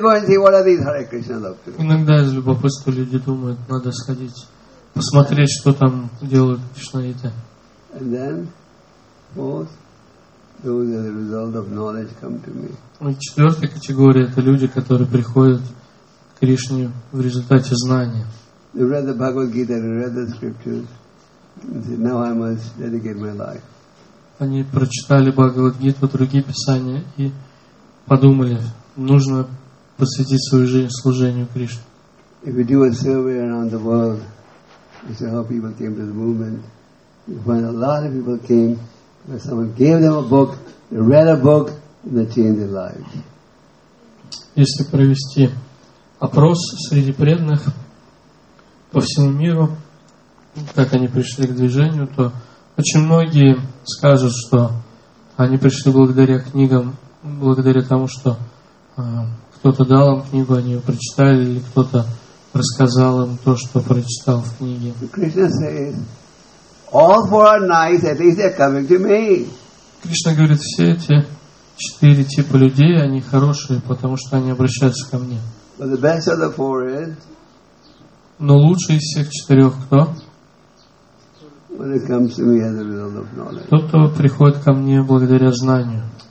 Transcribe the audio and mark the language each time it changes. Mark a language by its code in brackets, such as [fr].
[ru] Иногда из любопытства люди думают, надо сходить, посмотреть, что там делают кришнаиты. [en] And then, fourth, those are the result of knowledge come to me. [ru] И четвертая категория — это люди, которые приходят к Кришне в результате знания. [en] They read the Bhagavad Gita, they read the scriptures, and said, "Now I must dedicate my life." [ru] Они прочитали Бхагавад Гиту, другие писания, и подумали, нужно посвятить свою жизнь служению Кришне. [en] If you do a survey around the world, you see how people came to the movement. When a lot of people came, when someone gave them a book, they read a book, and they changed their lives. [ru] Если провести опрос среди преданных по всему миру, как они пришли к движению, то очень многие скажут, что они пришли благодаря книгам, благодаря тому, что кто-то дал им книгу, они ее прочитали, или кто-то рассказал им то, что прочитал в книге. [en] Krishna says, all four are nice, at least they're coming to me. [ru] Кришна говорит, все эти четыре типа людей, они хорошие, потому что они обращаются ко мне. [en] But the best of the four is. [ru] Но лучший из всех четырех кто? [en] When it comes to me as a result of knowledge. [ru] Тот, кто приходит ко мне благодаря знанию.